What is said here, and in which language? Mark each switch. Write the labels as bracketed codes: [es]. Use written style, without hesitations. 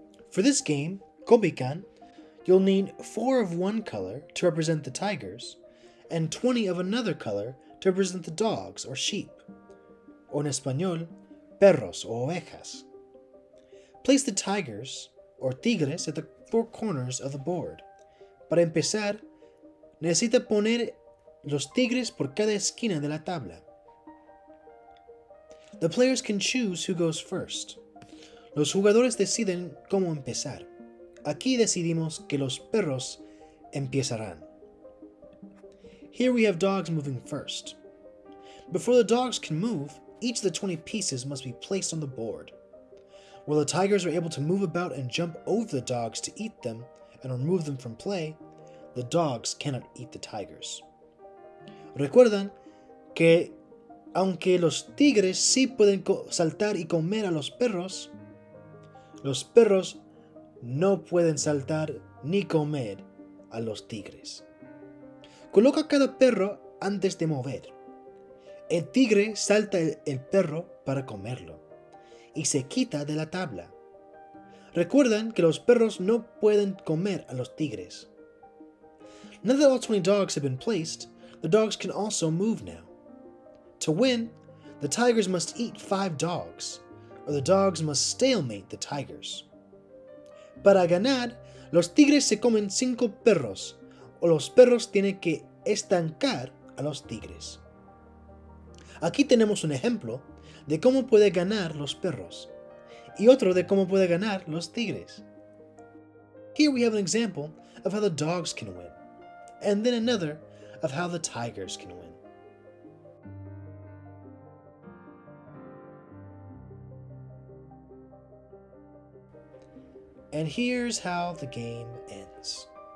[en] For this game, Komikan, you'll need 4 of one color to represent the tigers, and 20 of another color to represent the dogs or sheep, or [es] en español, perros o ovejas. [en] Place the tigers or tigres at the 4 corners of the board. [es] Para empezar, necesita poner los tigres por cada esquina de la tabla. [en] The players can choose who goes first. [es] Los jugadores deciden cómo empezar. Aquí decidimos que los perros empezarán. [en] Here we have dogs moving first. Before the dogs can move, each of the 20 pieces must be placed on the board. While the tigers are able to move about and jump over the dogs to eat them and remove them from play, the dogs cannot eat the tigers. [es] Recuerdan que aunque los tigres sí pueden saltar y comer a los perros no pueden saltar ni comer a los tigres. Coloca cada perro antes de mover. El tigre salta el perro para comerlo y se quita de la tabla. Recuerden que los perros no pueden comer a los tigres. [en] Now that all 20 dogs have been placed, the dogs can also move now. To win, the tigers must eat 5 dogs, or the dogs must stalemate the tigers. [es] Para ganar, los tigres se comen 5 perros, o los perros tienen que estancar a los tigres. Aquí tenemos un ejemplo de cómo puede ganar los perros, y otro de cómo puede ganar los tigres. [en] Here we have an example of how the dogs can win, and then another of how the tigers can win. And here's how the game ends.